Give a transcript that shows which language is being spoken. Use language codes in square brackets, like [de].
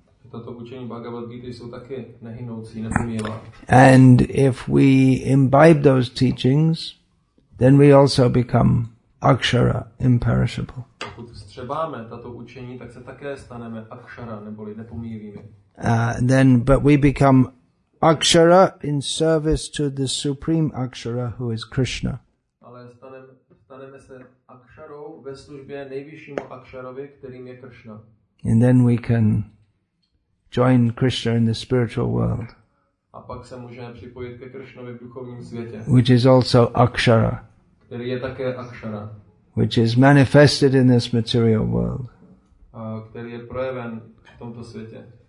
[cs] toto učení Bhagavad Gita jsou také nehynoucí, nepomíjivá. [en] And if we imbibe those teachings, then we also become akshara, imperishable. [cs] Pokud střebáme tato učení, tak se také staneme akshara, neboli nepomíjivými. [en] But we become akshara in service to the supreme akshara, who is Krishna. [cs] Ale staneme se aksharou ve službě nejvyššímu aksharovi, kterým je Krishna. [en] And then we can join Krishna in the spiritual world. [cs] A pak se můžeme připojit ke Krishnovi v duchovním světě. [en] Which is also akshara. [cs] Který je také akshara. [en] Which is manifested in this material world. [cs] Který je projeven v tomto světě.